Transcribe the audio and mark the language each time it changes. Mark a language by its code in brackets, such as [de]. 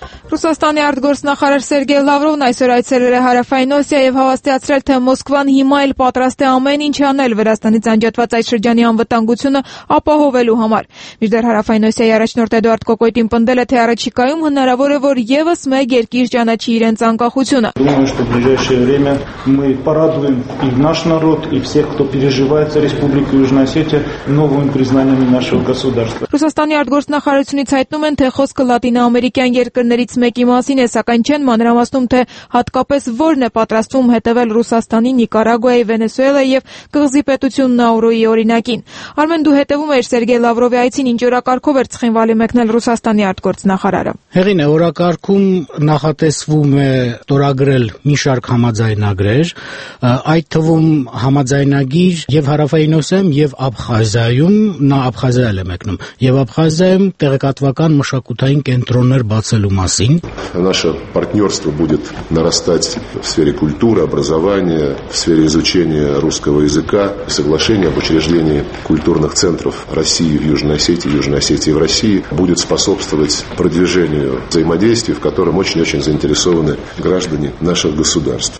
[hy] Ռուսաստանի արտգործնախարար Սերգեյ Լավրովն այսօր այցելել է Հարավային Օսիա և հավաստիացրել, թե Մոսկվան հիմա էլ պատրաստ է ամեն ինչ անել Վրաստանից անջատված այդ շրջանի անվտանգությունը ապահովելու համար։ Մինչդեռ Հարավային Օսիայի առաջնորդ Էդուարդ Կոկոյտին պնդել է, թե առաջիկայում հնարավոր է, որ ևս մեկ երկիր ճանաչի իրենց անկախությունը։ [ru] Думаю, что в ближайшее время мы порадуем и наш народ, и всех, кто переживает за Республику Южная Осетия, новым признанием нашего государства։ [hy] Ռուսաստանի արտգործնախարարությունից հայտնում են, թե խոսքը լատինաամերիկյան երկրների մեկի մասին է, սակայն չեն մանրամասնում, թե հատկապես որն է պատրաստվում հետևել Ռուսաստանի, Նիկարագուայի, Վենեսուելայի և կղզի պետություն Նաուրուի օրինակին։ Արմեն, դու հետևում էիր Սերգեյ Լավրովի այցին, ինչ օրակարգով էր ցխինվալի մեկնել Ռուսաստանի արտգործնախարարը։ Հեղինե, օրակարգում նախատեսվում է ստորագրել մի շարք համաձայնագրեր, այդ թվում համաձայնագիր և Հարավային Օսեմ և Աբխազիայում, նա Աբխազիա է մեկնում, և Աբխազիայում տեղեկատվական մշակութային կենտրոններ բացելու մասին, [ru] Наше партнерство будет нарастать в сфере культуры, образования, в сфере изучения русского языка. Соглашение об учреждении культурных центров России в Южной Осетии, Южной Осетии в России будет способствовать продвижению взаимодействия, в котором очень-очень заинтересованы граждане наших государств.